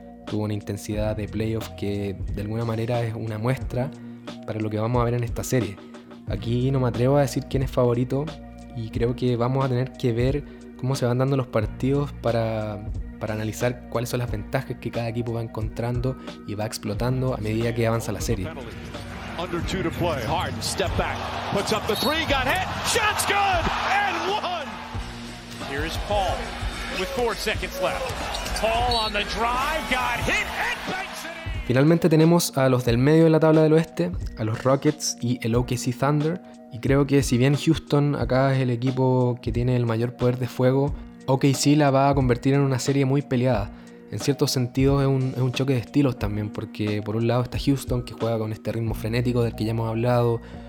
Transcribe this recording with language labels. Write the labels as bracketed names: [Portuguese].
[Spanish] Tuvo una intensidad de playoff que de alguna manera es una muestra para lo que vamos a ver en esta serie. Aquí no me atrevo a decir quién es favorito, y creo que vamos a tener que ver cómo se van dando los partidos para analizar cuáles son las ventajas que cada equipo va encontrando y va explotando a medida que avanza la serie. [English] Harden step back, puts up the three, got hit, shot's good, and one. Here is Paul with 4 seconds left. Paul on the drive, got hit and banks it. [Spanish] Finalmente tenemos a los del medio de la tabla del oeste, a los Rockets y el OKC Thunder. Y creo que si bien Houston acá es el equipo que tiene el mayor poder de fuego, OKC la va a convertir en una serie muy peleada. En cierto sentido es un choque de estilos también, porque por un lado está Houston, que juega con este ritmo frenético del que ya hemos hablado.